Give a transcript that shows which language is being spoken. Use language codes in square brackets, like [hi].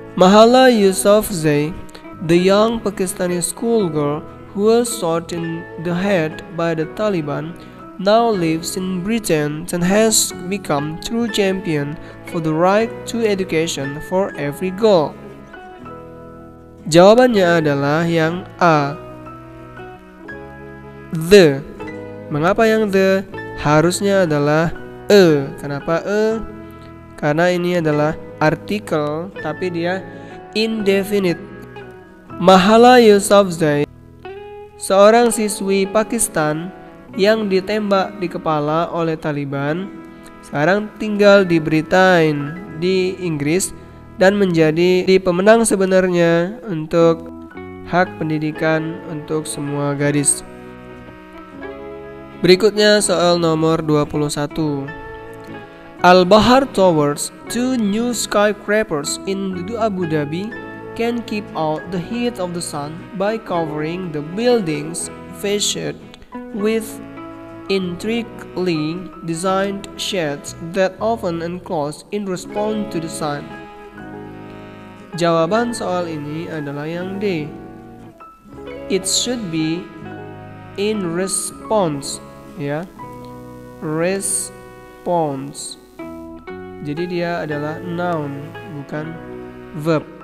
[en] Mahala Yousafzai, the young Pakistani schoolgirl who was shot in the head by the Taliban, now lives in Britain and has become true champion for the right to education for every girl. [id] Jawabannya adalah yang A. The. Mengapa yang the? Harusnya adalah a. Kenapa a? Karena ini adalah artikel, tapi dia indefinite. Mahala Yousafzai, seorang siswi Pakistan yang ditembak di kepala oleh Taliban, sekarang tinggal di Britain, di Inggris, dan menjadi di pemenang sebenarnya untuk hak pendidikan untuk semua gadis. Berikutnya soal nomor 21. [en] Al-Bahar Towers, two new skyscrapers in Abu Dhabi, can keep out the heat of the sun by covering the buildings facade with intricately designed sheds that often enclose in response to the sun. [id] Jawaban soal ini adalah yang D. [en] It should be in response, [id] ya. Response. Jadi dia adalah noun, bukan verb.